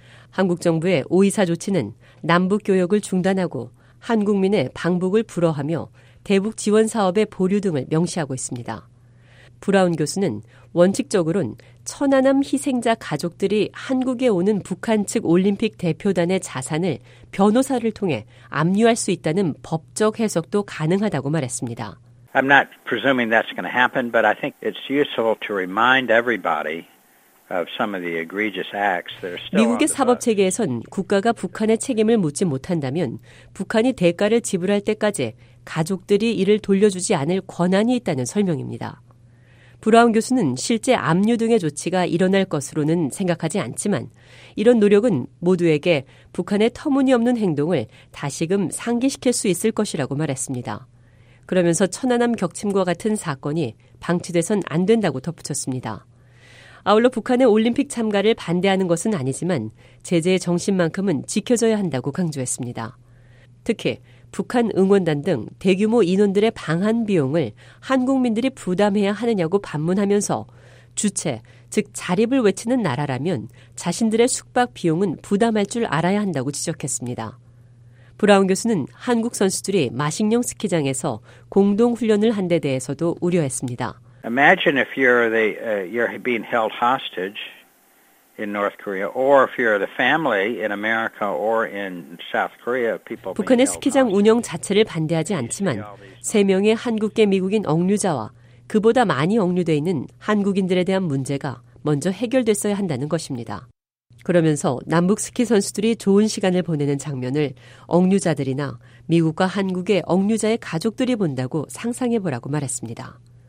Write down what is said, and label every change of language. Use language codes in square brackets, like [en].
[ko] 한국 정부의 524 조치는 남북 교역을 중단하고 한국민의 방북을 불허하며 대북 지원 사업의 보류 등을 명시하고 있습니다. 브라운 교수는 원칙적으로는 천안함 희생자 가족들이 한국에 오는 북한 측 올림픽 대표단의 자산을 변호사를 통해 압류할 수 있다는 법적 해석도 가능하다고 말했습니다. [en] I'm not presuming that's going to happen, but I think it's useful to remind everybody of some of the egregious acts that are still. [ko] 미국의 사법 체계에선 국가가 북한의 책임을 묻지 못한다면 북한이 대가를 지불할 때까지 가족들이 이를 돌려주지 않을 권한이 있다는 설명입니다. 브라운 교수는 실제 압류 등의 조치가 일어날 것으로는 생각하지 않지만 이런 노력은 모두에게 북한의 터무니없는 행동을 다시금 상기시킬 수 있을 것이라고 말했습니다. 그러면서 천안함 격침과 같은 사건이 방치돼선 안 된다고 덧붙였습니다. 아울러 북한의 올림픽 참가를 반대하는 것은 아니지만 제재의 정신만큼은 지켜져야 한다고 강조했습니다. 특히 북한 응원단 등 대규모 인원들의 방한 비용을 한국민들이 부담해야 하느냐고 반문하면서 주체, 즉 자립을 외치는 나라라면 자신들의 숙박 비용은 부담할 줄 알아야 한다고 지적했습니다. 브라운 교수는 한국 선수들이 마식령 스키장에서 공동 훈련을 한 데 대해서도 우려했습니다. [en] Imagine if you're the you're being held hostage in North Korea or if you're the family in America or in South Korea people [ko] 북한의 스키장 운영 자체를 반대하지 않지만 세 명의 한국계 미국인 억류자와 그보다 많이 억류돼 있는 한국인들에 대한 문제가 먼저 해결됐어야 한다는 것입니다. 그러면서 남북 스키 선수들이 좋은 시간을 보내는 장면을 억류자들이나 미국과 한국의 억류자의 가족들이 본다고 상상해보라고 말했습니다.